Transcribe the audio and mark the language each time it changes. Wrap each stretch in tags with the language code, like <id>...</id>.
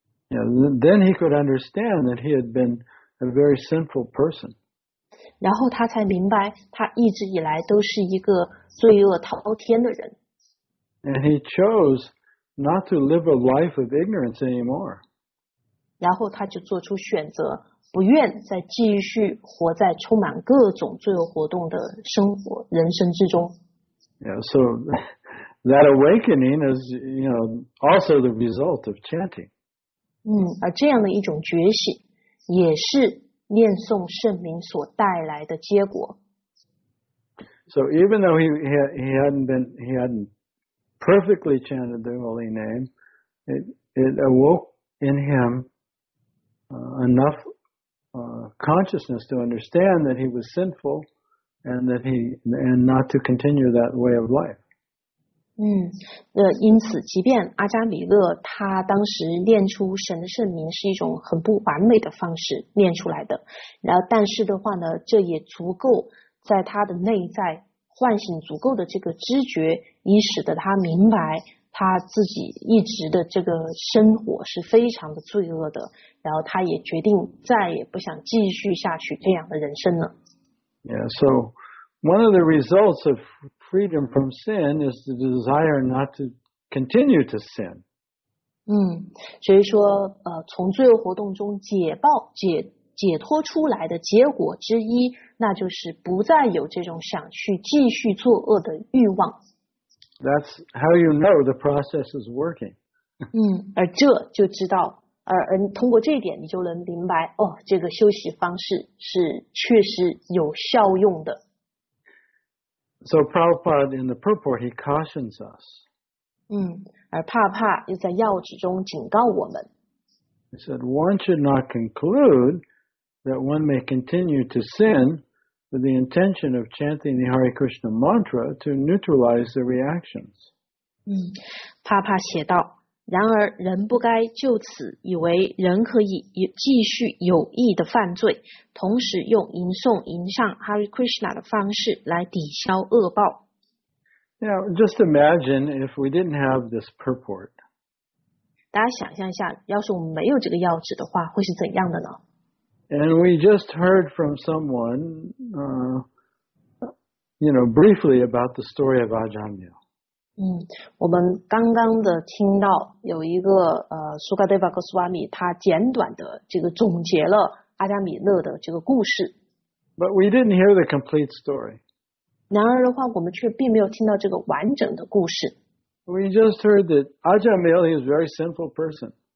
<en>Yeah, then he could understand that he had been a very sinful person.</en> <zh>然后他才明白，他一直以来都是一个罪恶滔天的人。</zh> <en>And he chose not to live a life of ignorance anymore.</en> <zh>然后他就做出选择，不愿再继续活在充满各种罪恶活动的生活人生之中。</zh> <en>Yeah, so that awakening is, you know, also the result of chanting.</en> <zh>而这样的一种觉醒，也是念诵圣名所带来的结果。</zh> <en>So even though he hadn't perfectly chanted the holy name, it awoke in him. Enough consciousness to understand that he was sinful and not to continue that way of life.</en> <zh>因此即便阿加米勒他当时念出神的圣名是一种很不完美的方式念出来的，然后但是的话呢，这也足够在他的内在唤醒足够的这个知觉，以使得他明白他自己一直的这个生活是非常的罪恶的，然后他也决定再也不想继续下去这样的人生了。</zh> <en>Yeah, so one of the results of freedom from sin is the desire not to continue to sin.</en> <zh>所以说从罪恶活动中解脱出来的结果之一，那就是不再有这种想去继续作恶的欲望。</zh> <en>That's how you know the process is working.</en> <zh>而这就知道，而通过这一点，你就能明白，哦，这个休息方式是确实有效用的。</zh> <en>So Prabhupada in the purport he cautions us.</en> <zh>而帕帕又在要旨中警告我们。</zh> <en>He said, one should not conclude that one may continue to sin. With the intention of chanting the Hare Krishna mantra to neutralize the reactions.</en> <zh>帕帕写道，然而人不该就此以为人可以继续有意的犯罪，同时用吟诵吟唱 Hare Krishna 的方式来抵消恶报。</zh> <en>Now, just imagine if we didn't have this purport.</en> <zh>大家想象一下，要是我们没有这个要旨的话，会是怎样的呢？</zh> <en>And we just heard from someone, you know, briefly about the story of Ajamil.</en> <zh>我们刚刚的听到有一个Sukadeva Goswami 他简短的这个总结了阿加米勒的这个故事。</zh> <en>But we didn't hear the complete story.</en> <zh>然而的话，我们却并没有听到这个完整的故事。</zh> <en>We just heard that Ajamil is a very sinful person.</en>